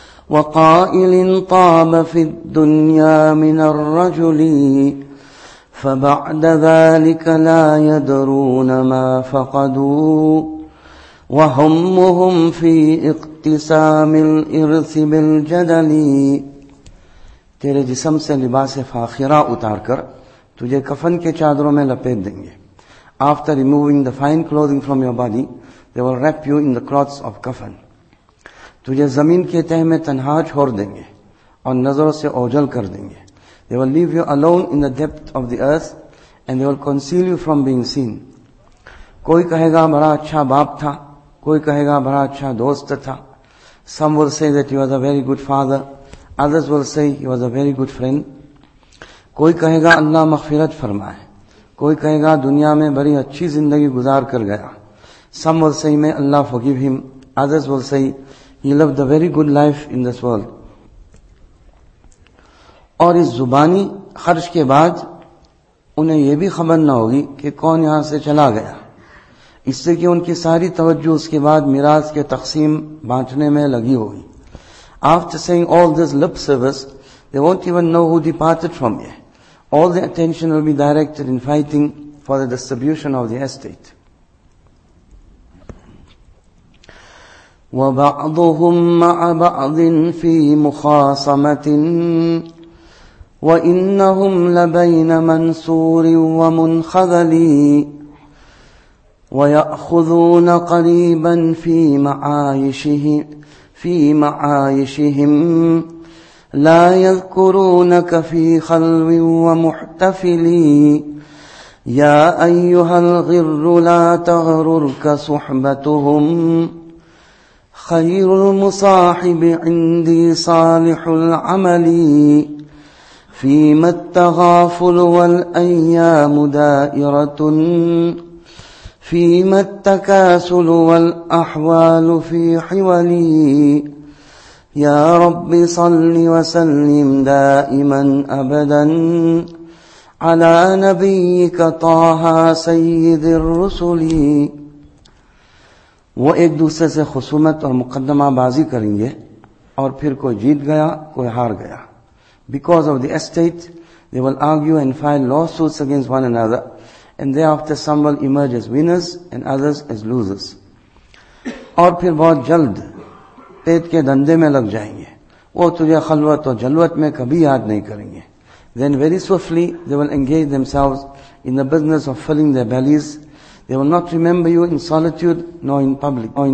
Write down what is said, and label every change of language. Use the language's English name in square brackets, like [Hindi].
[Arabic] وقائل طاب في الدنيا من الرجل فبعد ذلك لا يدرون ما فقدوا وهمهم في اقتسام الإرث بالجدل. [Urdu] تیرے جسم سے لباس فاخرہ اتار کر تجھے کفن کے چادروں میں لپیٹ دیں گے. [English] After removing the fine clothing from your body, they will wrap you in the cloths of kafan. [Urdu] تجھے زمین کے تہ میں تنہا چھوڑ دیں گے اور نظروں سے اوجل کر دیں گے. [English] They will leave you alone in the depth of the earth and they will conceal you from being seen. [Urdu] کوئی کہے گا بڑا اچھا باپ تھا, کوئی کہے گا بڑا اچھا دوست تھا. [English] Some will say that he was a very good father. Others will say he was a very good friend. [Urdu] کوئی کہے گا اللہ مغفرت فرمائے, کوئی کہے گا دنیا میں بڑی اچھی زندگی گزار کر گیا. [English] Some will say may Allah forgive him. Others will say he lived a very good life in this world. [Urdu] اور اس زبانی خرچ کے بعد انہیں یہ بھی خبر نہ ہوگی کہ کون یہاں سے چلا گیا, اس سے کہ ان کی ساری توجہ اس کے بعد میراث کے تقسیم بانٹنے میں لگی ہوگی. [English] After saying all this lip service, they won't even know who departed from here. All the attention will be directed in fighting for the distribution of the estate. [Arabic] وَبَعْضُهُمْ مَعَ بَعْضٍ فِي مُخَاصَمَةٍ وَإِنَّهُمْ لَبَيْنَ مَنْصُورٍ وَمُنْخَذَلِي وَيَأْخُذُونَ قَرِيبًا فِي مَعَايِشِهِ في معايشهم لا يذكرونك في خلو ومحتفلي يا أيها الغر لا تغررك صحبتهم خير المصاحب عندي صالح العمل فيما التغافل والأيام دائرة فيما التكاسل والأحوال في حولي يا رب صل وسلم دائما أبدا على نبيك طه سيد الرسل. [Urdu] وہ ایک دوسرے سے خصومت اور مقدمہ بازی کریں گے اور پھر کوئی جیت گیا کوئی ہار گیا. [English] Because of the estate, they will argue and file lawsuits against one another. And thereafter some will emerge as winners and others as losers. [Urdu] اور پھر بہت جلد پیٹ کے دندے میں لگ جائیں گے, وہ تجھے خلوت اور جلوت میں کبھی یاد نہیں کریں گے. [English] Then very swiftly they will engage themselves in the business of filling their bellies. They will not remember you in solitude nor in public.